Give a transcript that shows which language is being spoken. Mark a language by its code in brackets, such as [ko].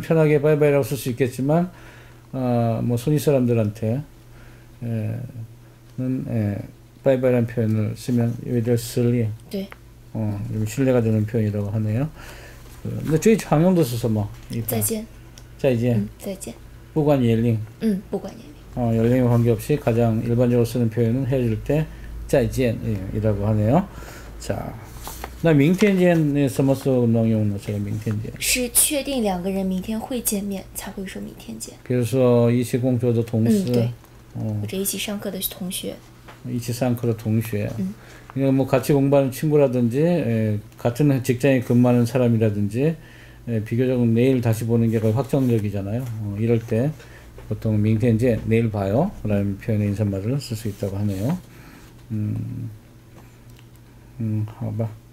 [ko] 편하게 바이바이라고 쓸 수 있겠지만 뭐 손이 사람들한테 바이바이라는 표현을 쓰면 좀 신뢰가 되는 표현이라고 하네요. [zh] 那最常用的是什么？再见。不管年龄，不管年龄。 [ko] 연령 관계없이 가장 일반적으로 쓰는 표현은 헤어질 때 再见이라고 하네요. [zh] 자, 那明天见什么时候能用呢？这个明天见是确定两个人明天会见面才会说明天见。比如说一起工作的同事，或者一起上课的同学，因为 [ko] 뭐 같이 공부하는 친구라든지 같은 직장에 근무하는 사람이라든지. 네, 비교적 내일 다시 보는 게 거의 확정적이잖아요. 이럴 때 보통 明天 이제 내일 봐요 라는 표현의 인사말을 쓸 수 있다고 하네요. [zh] 好吧.